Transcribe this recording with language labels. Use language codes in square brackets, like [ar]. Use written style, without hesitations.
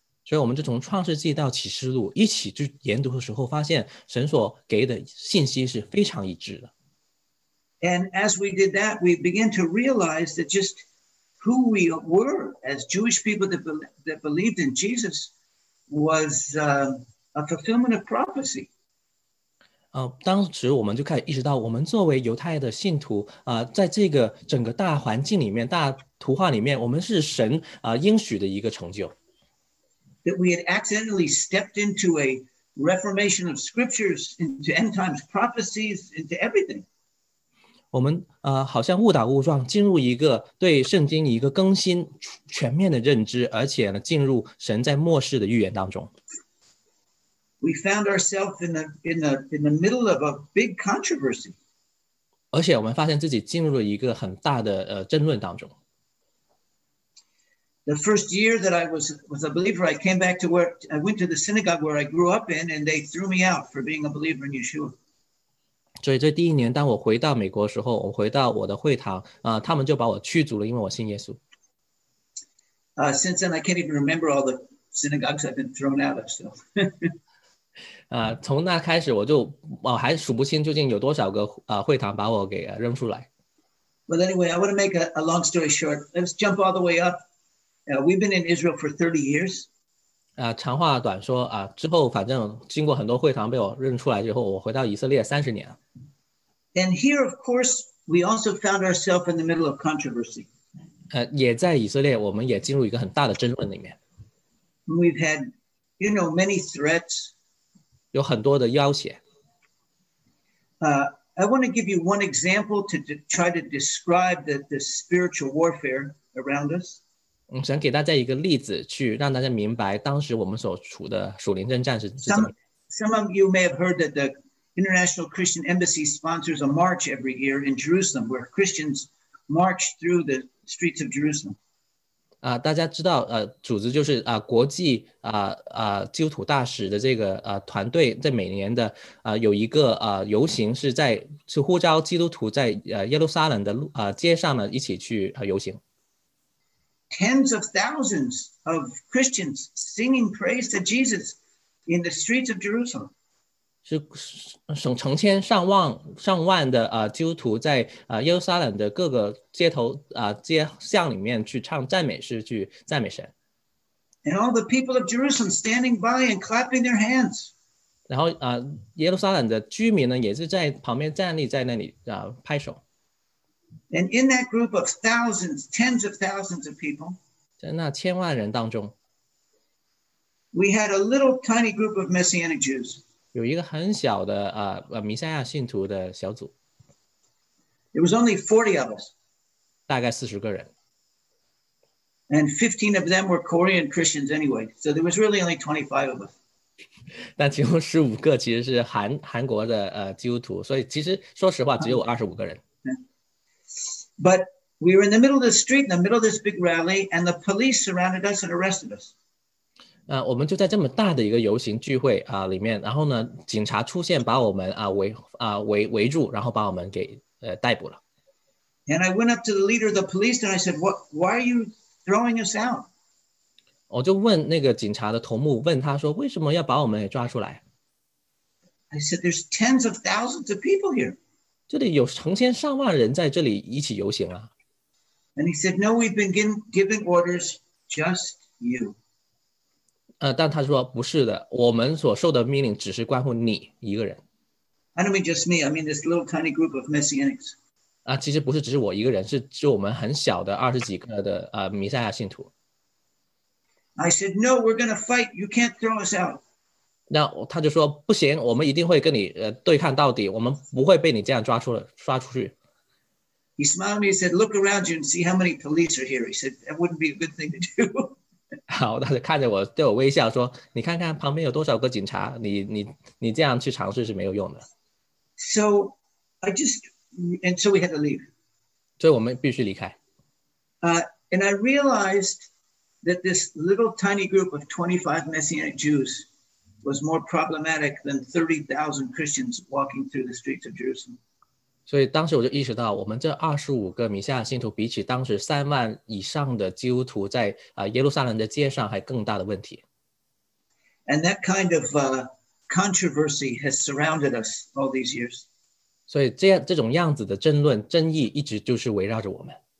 [zh] 所以我们就从创世纪到启示录一起去研读的时候发现神所给的信息是非常一致的。 [en] And as we did that, we began to realize that just... Who we were as Jewish people that believed in Jesus was、a fulfillment of prophecy. [zh] 当时我们就开始意识到，我们作为犹太的信徒、在这个整个大环境里面、大图画里面，我们是神、应许的一个成就。 [en] That we had accidentally stepped into a reformation of scriptures, into end times prophecies, into everything. [zh] 我们、好像误打误撞进入一个对圣经一个更新全面的认知，而且呢进入神在末世的预言当中。 [en] we found ourselves in the middle of a big controversy. [zh] 而且我们发现自己进入了一个很大的争论当中。 [en] The first year that I was a believer, I came back to where I went to the synagogue where I grew up in, and they threw me out for being a believer in Yeshua. [zh] 所以这第一年，当我回到美国的时候，我回到我的会堂他们就把我驱逐了，因为我信耶稣。 [en] Since then, I can't even remember all the synagogues I've been thrown out of. So, [zh] 从那开始我还数不清究竟有多少个会堂把我给扔出来。 [en] But anyway, I want to make a long story short. Let's jump all the way up. We've been in Israel for 30 years. [zh] 长话短说之后反正经过很多会堂被我认出来之后，我回到以色列30年。 [en] And here, of course, we also found ourselves in the middle of controversy. [zh] 也在以色列，我们也进入一个很大的争论里面。 [en] We've had, you know, many threats. [zh] 有很多的要挟。 [en] I want to give you one example to try to describe the spiritual warfare around us. [zh] 我想给大家一个例子，去让大家明白当时我们所处的属灵征战是怎么。 [en] Some of you may have heard that the International Christian Embassy sponsors a march every year in Jerusalem, where Christians march through the streets of Jerusalem. [zh] 大家知道，组织就是国际基督徒大使的这个团队，在每年的有一个游行，是呼召基督徒在耶路撒冷的街上呢一起去游行。 [en] Tens of thousands of Christians singing praise to Jesus in the streets of Jerusalem. [zh] 是成千上万的基督徒在耶路撒冷的各个街头街巷里面去唱赞美诗，去赞美神。 [en] And all the people of Jerusalem standing by and clapping their hands. [zh] 然后耶路撒冷的居民呢，也是在旁边站立在那里拍手。 [en] And in that group of thousands, tens of thousands of people, [zh] 在那千万人当中, [en] we had a little tiny group of Messianic Jews. [zh] 有一个很小的弥赛亚信徒的小组。 [en] It was only 40 of us. [zh] 大概40个人。 [en] And 15 of them were Korean Christians anyway, so there was really only 25 of us. [zh] 但其中15个其实是韩国的基督徒，所以其实说实话只有25个人。 [en] But we were in the middle of the street, in the middle of this big rally, and the police surrounded us and arrested us. [zh] 我们就在这么大的一个游行聚会里面，然后呢，警察出现把我们围住，然后把我们给逮捕了。 [en] And I went up to the leader of the police and I said, "Why are you throwing us out?" [zh] 我就问那个警察的头目，问他说，为什么要把我们给抓出来？ [en] I said, "There's tens of thousands of people here." [zh] 这里有成千上万人在这里一起游行啊。 [en] And he said, "No, we've been given orders, just you." [zh] 但他说不是的，我们所受的命令只是关乎你一个人。 [en] I don't mean just me. I mean this little tiny group of Messianics. [zh] 其实不是只是我一个人，是指我们很小的二十几个的弥赛亚信徒。 [en] I said, "No, we're going to fight. You can't throw us out." [zh] 那他就说不行，我们一定会跟你对抗到底，我们不会被你这样抓出去。 [en] He smiled at me and said, "Look around you and see how many police are here." He said, "That wouldn't be a good thing to do." [zh] 好，他就看着我，对我微笑说，你看看旁边有多少个警察，你这样去尝试是没有用的。 [en] So we had to leave. [zh] 所以我们必须离开。 [en] And I realized that this little tiny group of 25 Messianic Jews. Was more problematic than 30,000 Christians walking through the streets of Jerusalem. [zh] 所以当时我就意识到，我们这25个弥赛亚信徒比起当时3万以上的基督徒在耶路撒冷的街上还更大的问题。 [en] And that kind of controversy has surrounded us all these years. [zh] 所以这种样子的争论争议一直就是围绕着我们。